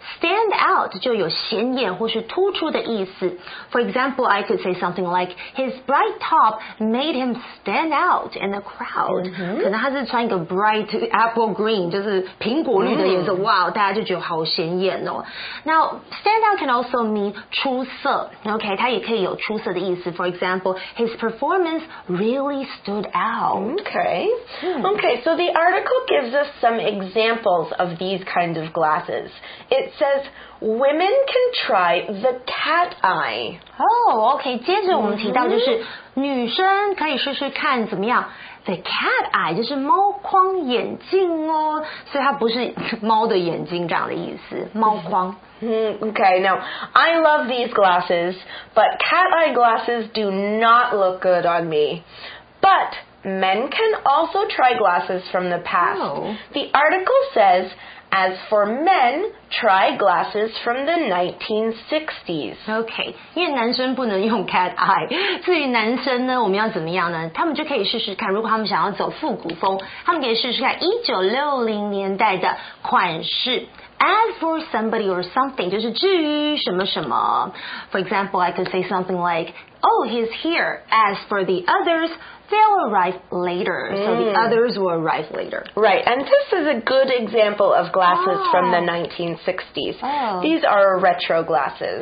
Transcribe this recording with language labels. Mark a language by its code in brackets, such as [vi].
[en] Stand out [zh] 就有显眼或是突出的意思 [en] For example, I could say something like His bright top made him stand out in the crowd、 [zh] 可能他是穿一个 [en] bright apple green [zh] 就是苹果绿的颜色、哇大家就觉得好显眼哦 [en] Now, stand out can also mean 出色 Okay, [zh] 他也可以有出色的意思 [en] For example, his performance really stood out Okay. Hmm. Okay, so the article gives us some examples of these kinds of glasses. It says, women can try the cat eye. Oh, okay. [zh] 接着我们提到就是、mm-hmm. 女生可以试试看怎么样。 The cat eye 就是猫框眼镜哦，所以它不是猫的眼睛这样的意思，猫框。 [en] Okay, now, I love these glasses, but cat eye glasses do not look good on me. But men can also try glasses from the past. Oh. The article says, as for men, try glasses from the 1960s. [zh] Okay, 因为男生不能用 cat eye. 至于男生呢，我们要怎么样呢？他们就可以试试看，如果他们想要走复古风，他们可以试试看1960年代的款式。 [en] As for somebody or something, [zh] 就是至于什么什么。 [en] For example, I could say something like, oh, he's here. As for the others, they'll arrive later.、Mm. So the others will arrive later. Right, and this is a good example of glasses、from the 1960s.、These are retro glasses.